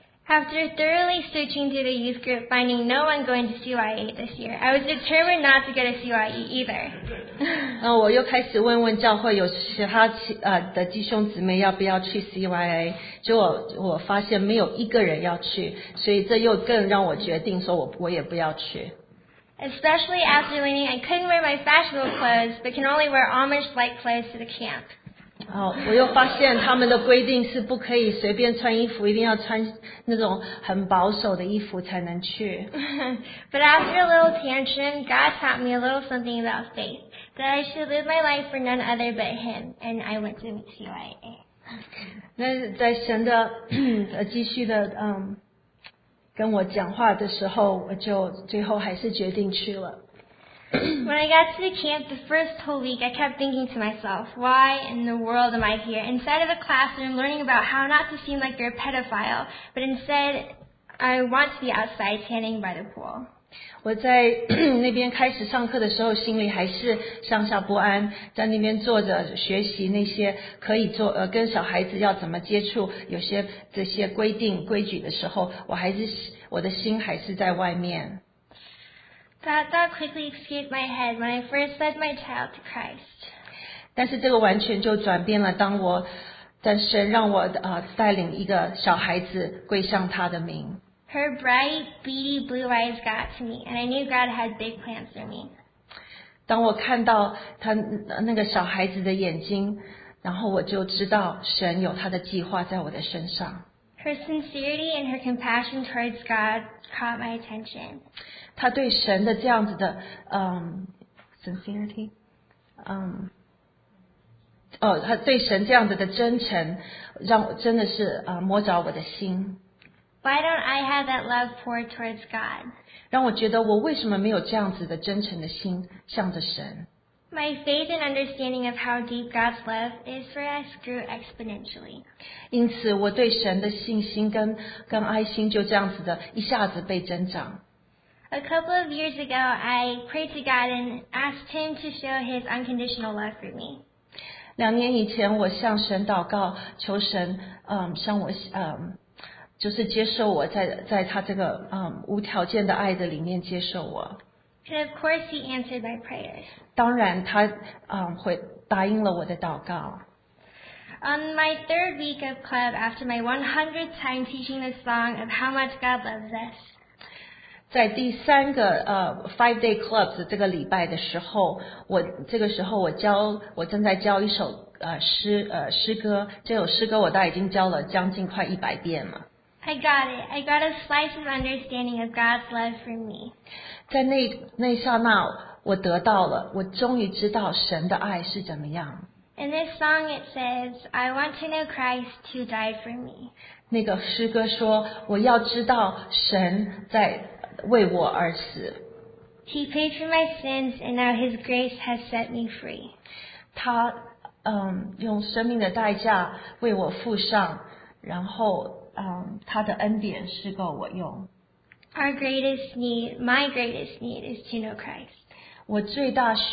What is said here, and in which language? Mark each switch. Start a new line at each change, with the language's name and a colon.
English: After thoroughly searching through the youth group, finding no one going to CYIA this year, I was determined not to go to CYIA either.
Chinese: 我又开始问问教会有其他的弟兄姊妹要不要去 CYIA， 结果我发现没有一个人要去，所以这又更让我决定说我也不要去。
English: Especially after learning I couldn't wear my fashionable clothes, but can only wear Amish-like clothes to the camp.
Chinese: 我又发现他们的规定是不可以随便穿衣服，一定要穿那种很保守的衣服才能去。
English: But after a little tantrum, God taught me a little something about faith, that I should live my life for none other but Him, and I went to CYIA.
Chinese: 那在神的继续的跟我讲话的时候，我就最后还是决定去了。
English: When I got to the camp the first whole week, I kept thinking to myself, why in the world am I here? Inside of a classroom, learning about how not to seem like you're a pedophile, but instead, I want to be outside tanning by the pool.
Chinese: 我在那边开始上课的时候，心里还是上下不安，在那边坐着学习那些可以做跟小孩子要怎么接触，有些这些规定规矩的时候，我的心还是在外面。
English: That quickly escaped my head when I first led my child to Christ.
Chinese: 但是这个完全就转变了，但神让我带领一个小孩子归向他的名。
English: Her bright, beady blue eyes got to me, and I knew God had big plans for me.
Chinese: 当我看到他那个小孩子的眼睛，然后我就知道神有他的计划在我的身上。
English: Her sincerity and her compassion towards God caught my attention.
Chinese: 他对神的这样子的sincerity， 他对神这样子的真诚，让我真的是摸着我的心。
English: Why don't I have that love poured towards God？
Chinese: 让我觉得我为什么没有这样子的真诚的心向着神。
English: My faith and understanding of how deep God's love is for us grew exponentially.
Chinese: 因此，我对神的信心跟爱心就这样子的一下子被增长。
English: A couple of years ago, I prayed to God and asked Him to show His unconditional love for me.
Chinese: 两年以前，我向神祷告，求神向我就是接受我在他这个无条件的爱的里面接受我。
English: And of course, He answered my prayers.
Chinese: 当然他会答应了我的祷告。
English: On my third week of club, after my 100th time teaching the song of how much God loves us,
Chinese: 在第三个 five-day clubs 这个礼拜的时候，我这个时候我正在教一首诗歌，这首诗歌我大概已经教了将近快100遍了。
English: I got it. I got a slice of understanding of God's love for me.
Chinese: 在那一刹那，我得到了，我终于知道神的爱是怎么样。
English: In this song, it says, "I want to know Christ who died for me."
Chinese: 那个诗歌说，我要知道神在。
English: He paid for my sins, and now His grace has set me free.
Chinese: 他用生命的代价为我付上，然后他的恩典是够我用。
English: Our greatest need, my greatest need, is to know Christ.